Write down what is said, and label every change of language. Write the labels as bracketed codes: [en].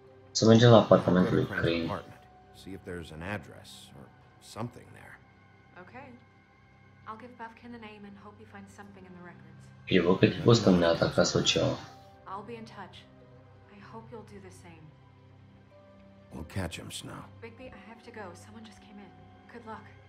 [ro] Să mergem la apartamentul lui Crane. [en] See if there's an address or something there. Okay. I'll give Bufkin the name and hope you find something in the records. [ro] Eu văd că tipul ăsta ne-a atacat sau ceva. [en] I'll be in touch. I hope you'll do the same. We'll catch him, Snow. Bigby, I have to go. Someone just came in. Good luck.